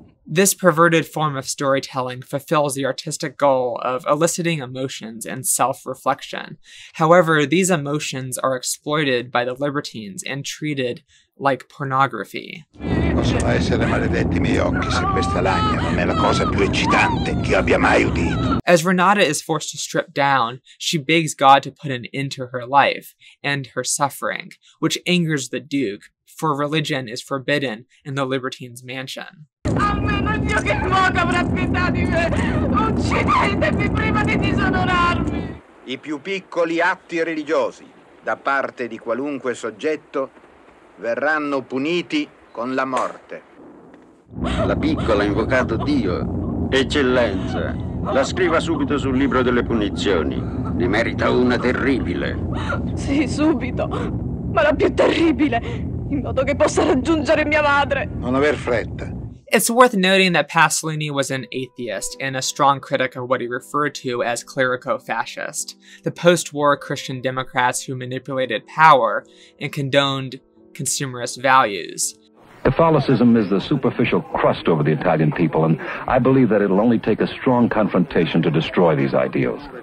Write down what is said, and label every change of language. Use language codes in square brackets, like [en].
[en] This perverted form of storytelling fulfills the artistic goal of eliciting emotions and self-reflection. However, these emotions are exploited by the libertines and treated like pornography. [it] Possono essere maledetti i miei occhi se questa lagna non è la cosa più eccitante che abbia mai udito. [en] As Renata is forced to strip down, she begs God to put an end to her life and her suffering, which angers the Duke, for religion is forbidden in the Libertine's mansion. [it] Almeno Dio che muoca avrà pietà di me! Uccidetemi prima di disonorarmi! I più piccoli atti religiosi da parte di qualunque soggetto verranno puniti con la morte. La piccola ha invocato Dio. Eccellenza, la scriva subito sul libro delle punizioni. Ne merita una terribile. Sì, subito, ma la più terribile, in modo che possa raggiungere mia madre. Non aver fretta. [en] It's worth noting that Pasolini was an atheist and a strong critic of what he referred to as clerico-fascist, the post-war Christian Democrats who manipulated power and condoned consumerist values. Catholicism is the superficial crust over the Italian people, and I believe that it'll only take a strong confrontation to destroy these ideals.